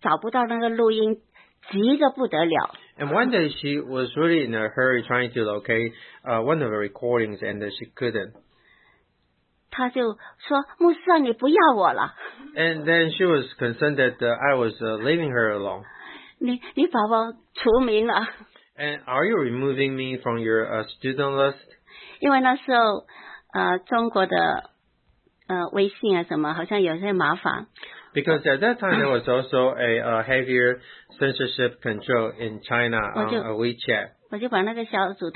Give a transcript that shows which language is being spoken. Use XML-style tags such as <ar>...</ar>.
<zh>都是有一天，因为她找不到那个录音，急得不得了。</zh> <en>And one day, she was really in a hurry trying to locate one of the recordings, and she couldn't.</en> <zh>她就说：“牧师啊，你不要我了。”</zh> <en>And then she was concerned that I was leaving her alone.</en> <zh>你把我除名了。</zh> <en>And are you removing me from your student list?</en> <zh>因为那时候，中国的。微信啊什么，好像有些麻烦。</zh> <en>Because at that time there was also a heavier censorship control in China on WeChat.</en>